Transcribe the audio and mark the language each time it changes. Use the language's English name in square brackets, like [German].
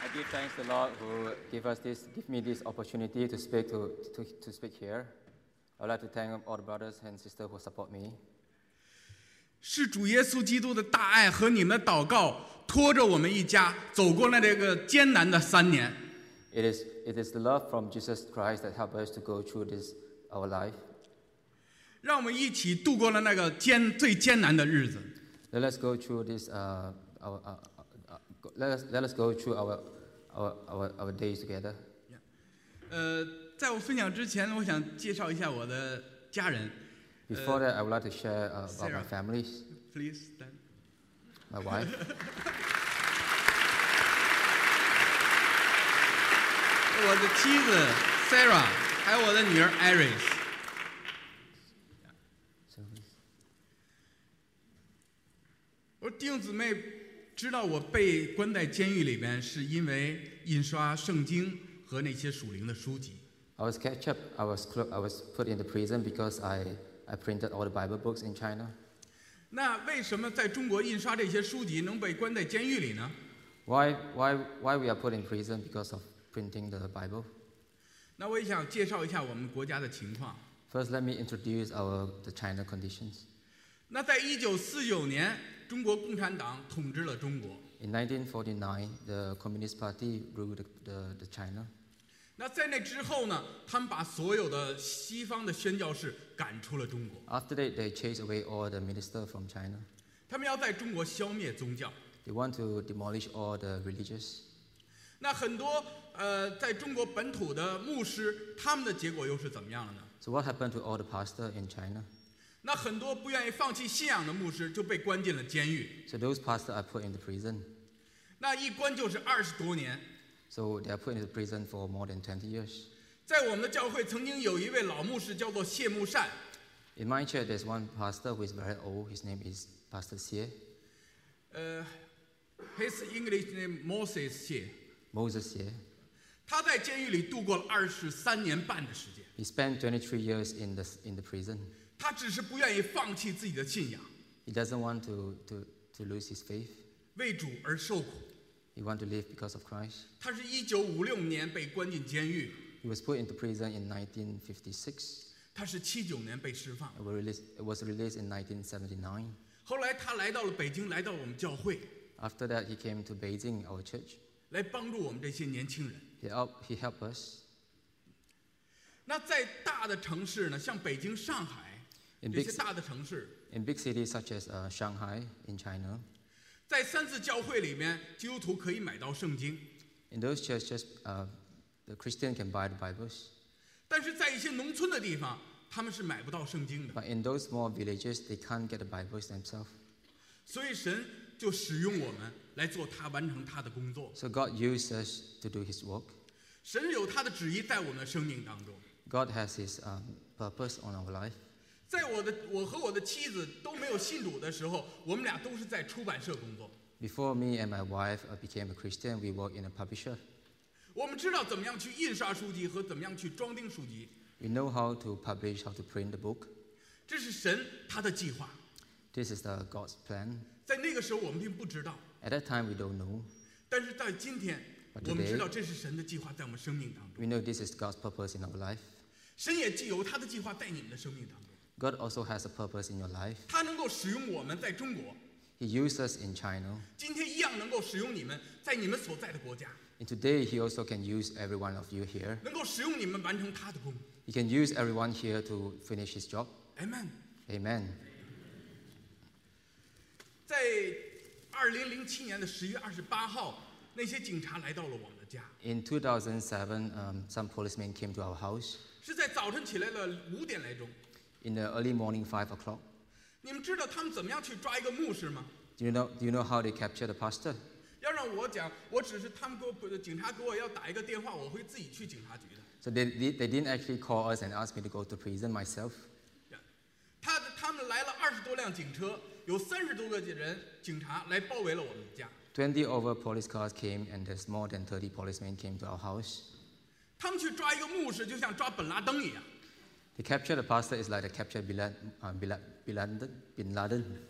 [English] Thanks the Lord who give me this opportunity to speak to speak here. I'd like to thank all the brothers and sisters who support me. [Chinese] 是主耶稣基督的大爱和你们的祷告拖着我们一家走过了这个艰难的三年。 [English] It is the love from Jesus Christ that helped us to go through this our life. [Chinese] 让我们一起度过了那个最艰难的日子。 [English] Let us go through our days together. [Chinese] 在我分享之前，我想介绍一下我的家人。 [English] Before that, I would like to share about Sarah, my family. Please, then. My wife. [Chinese] 我的妻子 Sarah， 还有我的女儿 Iris。我弟兄姊妹。知道我被关在监狱里边，是因为印刷圣经和那些属灵的书籍。 [English] I was catch up. I was put in the prison because I printed all the Bible books in China. [Chinese] 那为什么在中国印刷这些书籍能被关在监狱里呢 [English] ？Why we are put in prison because of printing the Bible？ [Chinese] 那我也想介绍一下我们国家的情况。 [English] First, let me introduce the China conditions. [Chinese] 那在1949年。中国共产党统治了中国。 [English] In 1949, the Communist Party ruled the China. [Chinese] 那在那之后呢？他们把所有的西方的宣教士赶出了中国。 [English] After that, they chased away all the ministers from China. [Chinese] 他们要在中国消灭宗教。 [English] They want to demolish all the religious. [Chinese] 那很多在中国本土的牧师，他们的结果又是怎么样了呢 [English] ？So what happened to all the pastors in China? [Chinese] 那很多不愿意放弃信仰的牧师就被关进了监狱。 [English] So those pastors are put in the prison. [Chinese] 那一关就是20多年。 [English] So they are put in the prison for more than 20 years. [Chinese] 在我们的教会曾经有一位老牧师叫做谢木善。 [English] In my church, there's one pastor who is very old. His name is Pastor Xie. His English name Moses Xie. Moses Xie. [Chinese] 他在监狱里度过了23年半的时间。 [English] He spent 23 years in the prison. [Chinese] 他只是不愿意放弃自己的信仰。 [English] He doesn't want to lose his faith. [Chinese] 为主而受苦。 [English] He want to live because of Christ. [Chinese] 他是1956年被关进监狱。 [English] He was put into prison in 1956. [Chinese] 他是79年被释放。 [English] Was released in 1979. [Chinese] 后来他来到了北京，来到我们教会。 [English] After that, he came to Beijing, our church. [Chinese] 来帮助我们这些年轻人。 [English] He helped us. [Chinese] 那在大的城市呢，像北京、上海。 [English] In big cities such as Shanghai in China, [Chinese] 在三次教会里面，基督徒可以买到圣经。 [English] In those churches, the Christian can buy the Bibles. [Chinese] 但是在一些农村的地方，他们是买不到圣经的。 [English] But in those small villages, they can't get the Bibles themselves. [Chinese] 所以神就使用我们来做他完成他的工作。 [English] So God uses us to do His work. [Chinese] 神有他的旨意在我们的生命当中。 [English] God has His purpose on our life. [Chinese] 在我和我的妻子都没有信主的时候，我们俩都是在出版社工作。 [English] Before me and my wife became a Christian, we worked in a publisher. [Chinese] 我们知道怎么样去印刷书籍和怎么样去装订书籍。 [English] We know how to publish, how to print the book. [Chinese] 这是神他的计划。 [English] This is God's plan. [Chinese] 在那个时候我们并不知道。 [English] At that time we don't know. [Chinese] 但是在今天，我们知道这是神的计划在我们生命当中。 [English] We know this is God's purpose in our life. [Chinese] 神也既有他的计划在你们的生命当中。 [English] God also has a purpose in your life. [Chinese] 他能够使用我们在中国。 [English] He uses us in China. [Chinese] 今天一样能够使用你们在你们所在的国家。 [English] And today he also can use every one of you here. [Chinese] 能够使用你们完成他的工。 [English] He can use everyone here to finish his job. Amen. Amen. [Chinese] 在2007年的10月28号，那些警察来到了我们的家。 [English] In 2007, some policemen came to our house. [Chinese] 是在早晨起来的5点来钟。 [English] In the early morning, 5 o'clock. [Chinese] 你们知道他们怎么样去抓一个牧师吗 [English] ？Do you know how they capture the pastor? [Chinese] 要让让我讲，我只是他们给我警察给我要打一个电话，我会自己去警察局的。 [English] So they didn't actually call us and ask me to go to prison myself. Yeah. [Chinese] 他们来了二十多辆警车，有三十多个人警察来包围了我们家。 [English] 20 over police cars came and there's more than 30 policemen came to our house. [Chinese] 他们去抓一个牧师，就像抓本拉登一样。 [English] They captured a pastor is like they captured Bin Laden.